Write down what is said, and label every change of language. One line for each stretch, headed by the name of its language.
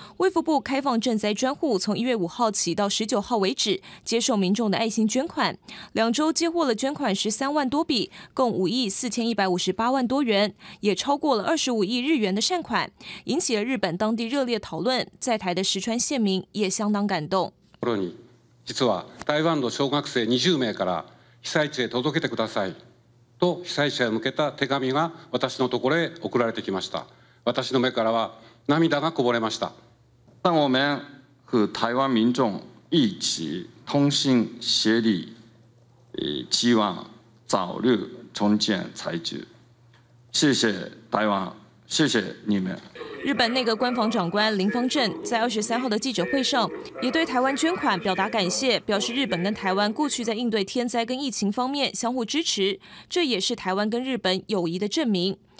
Chinese: 卫福部开放赈灾专户，从1月5号起到19号为止，接受民众的爱心捐款，两周接获了捐款13万多笔，共5亿4158万多元，也超过了25亿日元的善款，引起了日本当地热烈讨论。在台的石川县民也相当感动。
Japanese: 実は台湾の小学生20名から被災地へ届けてください。と被災者へ向けた手紙が私のところへ送られてきました。私の目からは涙がこぼれました。
Chinese: 让我们和台湾民众一起同心协力，希望早日重建灾区。谢谢台湾，谢谢你们。日本内阁官房长官林芳正在23号的记者会上也对台湾捐款表达感谢，表示日本跟台湾过去在应对天灾跟疫情方面相互支持，这也是台湾跟日本友谊的证明。